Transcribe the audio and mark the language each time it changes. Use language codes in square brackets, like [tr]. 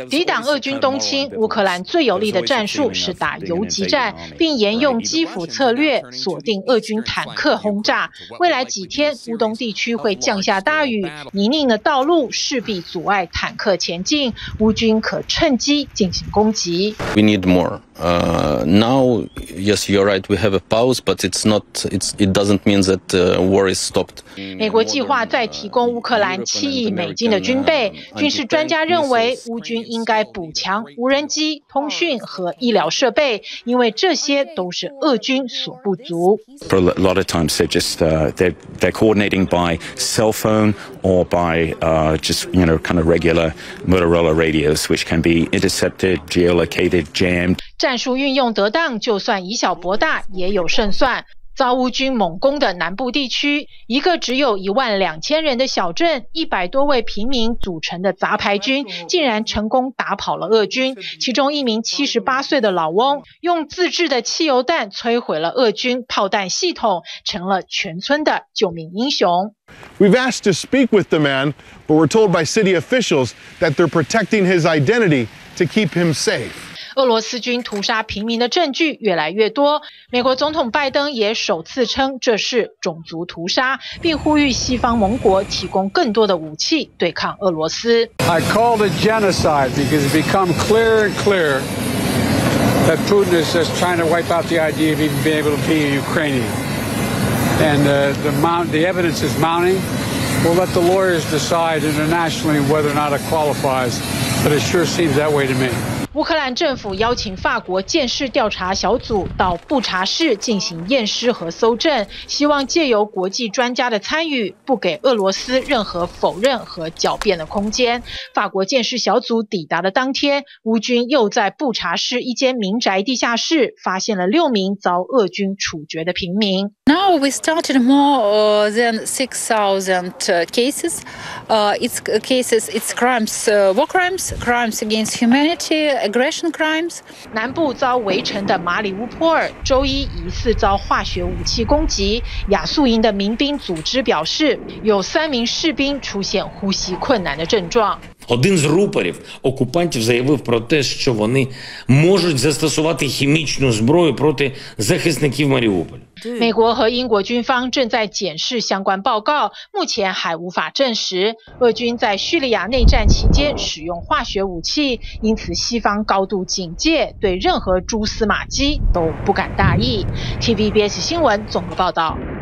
[zh] 抵挡俄军东侵，乌克兰最有力的战术是打游击战，并沿用基辅策略锁定俄军坦克轰炸。未来几天，乌东地区会降下大雨，泥泞的道路势必阻碍坦克前进，乌军可趁机进行攻击。 [en] We need more. Now, yes, you're right. We have a pause, but it doesn't mean that war is stopped. [zh] 美国计划再提供乌克兰7亿美金的军备，军事专家认为乌军应该补强无人机、通讯和医疗设备，因为这些都是俄军所不足。 [en] For a lot of times, they're just they're coordinating by cell phone or by just you know kind of regular Motorola radios, which can be intercepted, geolocated, jammed. [zh] 战术运用得当，就算以小博大，也有胜算。遭乌军猛攻的南部地区，一个只有12000人的小镇，100多位平民组成的杂牌军竟然成功打跑了俄军。其中一名78岁的老翁用自制的汽油弹摧毁了俄军炮弹系统，成了全村的救命英雄。 [en] We've asked to speak with the man, but we're told by city officials that they're protecting his identity to keep him safe. [zh] 俄罗斯军屠杀平民的证据越来越多，美国总统拜登也首次称这是种族屠杀，并呼吁西方盟国提供更多的武器对抗俄罗斯。 [en] I call it genocide because it's become clearer and clearer that Putin is just trying to wipe out the idea of even being able to be a Ukrainian. And the evidence is mounting. We'll let the lawyers decide internationally whether or not it qualifies, but it sure seems that way to me. [zh] 乌克兰政府邀请法国鉴尸调查小组到布查市进行验尸和搜证，希望借由国际专家的参与，不给俄罗斯任何否认和狡辩的空间。法国鉴尸小组抵达的当天，乌军又在布查市一间民宅地下室发现了6名遭俄军处决的平民。 [en] Now we started more than 6,000 cases. It's cases, it's crimes, war crimes, crimes against humanity. Aggression crimes. [zh] 南部遭围城的马里乌波尔周一疑似遭化学武器攻击，亚速营的民兵组织表示，有3名士兵出现呼吸困难的症状。 [uk] Один з рупорів окупантів заявив про те, що вони можуть застосувати хімічну зброю проти захисників Маріуполя. [zh] 美国和英国军方正在检视相关报告，目前还无法证实俄军在叙利亚内战期间使用化学武器，因此西方高度警戒，对任何蛛丝马迹都不敢大意。 TVBS 新闻综合报道。